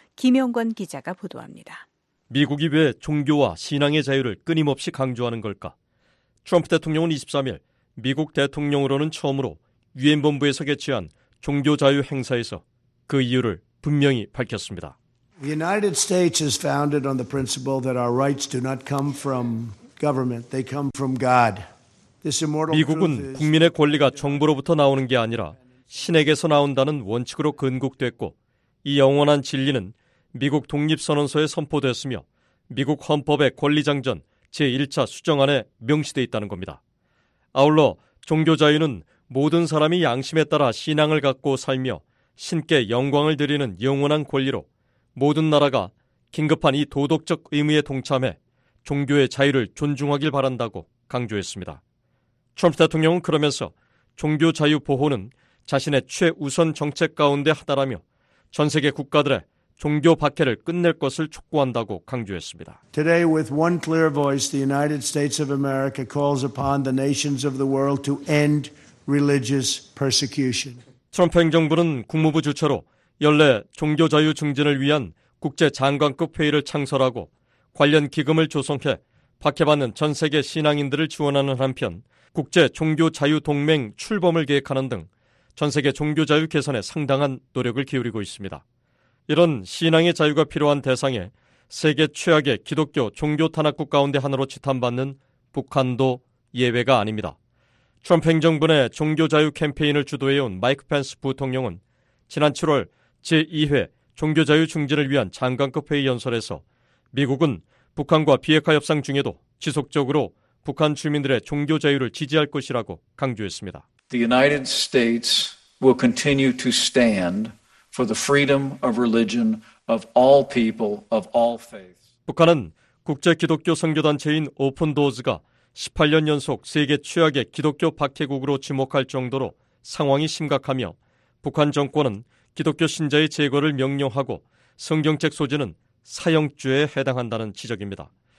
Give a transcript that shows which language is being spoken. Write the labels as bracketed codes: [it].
[ko] 김영권 기자가 보도합니다. 미국이 왜 종교와 신앙의 자유를 끊임없이 강조하는 걸까? 트럼프 대통령은 23일 미국 대통령으로는 처음으로 유엔 본부에서 개최한 종교 자유 행사에서 그 이유를 분명히 밝혔습니다. [en] The United States is founded on the principle that our rights do not come from government, they come from God. This immortal [ko] 미국은 국민의 권리가 정부로부터 나오는 게 아니라 신에게서 나온다는 원칙으로 근국됐고 이 영원한 진리는 미국 독립선언서에 선포됐으며 미국 헌법의 권리장전 제1차 수정안에 명시돼 있다는 겁니다. 아울러 종교자유는 모든 사람이 양심에 따라 신앙을 갖고 살며 신께 영광을 드리는 영원한 권리로 모든 나라가 긴급한 이 도덕적 의무에 동참해 종교의 자유를 존중하길 바란다고 강조했습니다. 트럼프 대통령은 그러면서 종교 자유 보호는 자신의 최우선 정책 가운데 하나라며 전 세계 국가들의 종교 박해를 끝낼 것을 촉구한다고 강조했습니다. [en] Today with one clear voice the United States of America calls upon the nations of the world to end religious persecution. [ko] 트럼프 행정부는 국무부 주최로 연례 종교 자유 증진을 위한 국제 장관급 회의를 창설하고 관련 기금을 조성해 박해받는 전 세계 신앙인들을 지원하는 한편 국제 종교 자유 동맹 출범을 계획하는 등 전 세계 종교 자유 개선에 상당한 노력을 기울이고 있습니다. 이런 신앙의 자유가 필요한 대상에 세계 최악의 기독교 종교 탄압국 가운데 하나로 지탄받는 북한도 예외가 아닙니다. 트럼프 행정부 내 종교 자유 캠페인을 주도해온 마이크 펜스 부통령은 지난 7월 제2회 종교 자유 중지를 위한 장관급 회의 연설에서 미국은 북한과 비핵화 협상 중에도 지속적으로 북한 주민들의 종교 자유를 지지할 것이라고 강조했습니다. [en] The United States will continue to stand for the freedom of religion of all people of all faiths. [ko] 북한은 국제 기독교 선교단체인 오픈 도어즈가 18년 연속 세계 최악의 기독교 박해국으로 지목할 정도로 상황이 심각하며 북한 정권은 기독교 신자의 제거를 명령하고 성경책 소지는 사형죄에 해당한다는 지적입니다.